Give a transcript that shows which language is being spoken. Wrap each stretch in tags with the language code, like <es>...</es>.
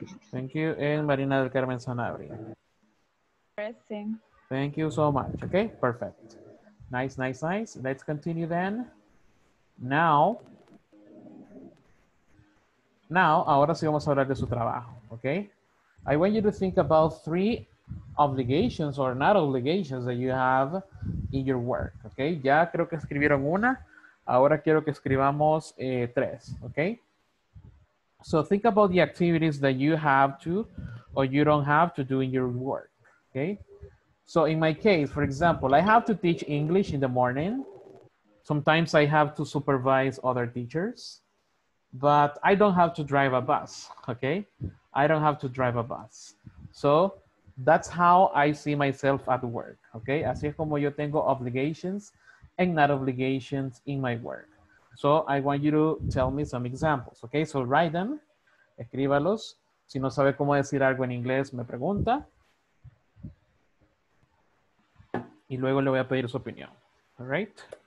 <en>Thank you. And Marina del Carmen Sanabria. Present. Thank you so much. Okay, perfect. Nice, nice, nice. Let's continue then. Now,</en> <es>ahora sí vamos a hablar de su trabajo.</es> <en>Okay? I want you to think about three obligations or not obligations that you have in your work, okay?</en> <es>Ya creo que escribieron una, ahora quiero que escribamos tres, okay?</es> <en>So think about the activities that you have to or you don't have to do in your work, okay? So in my case, for example, I have to teach English in the morning. Sometimes I have to supervise other teachers, but I don't have to drive a bus, okay? I don't have to drive a bus. So that's how I see myself at work, okay?</en> <es>Así es como yo tengo</es> <en>obligations and not obligations</en> <es>in my work.</es> <en>So I want you to tell me some examples, okay? So write them,</en> <es>escríbalos. Si no sabe cómo decir algo en inglés, me pregunta. Y luego le voy a pedir su opinión,</es> <en>all right?</en>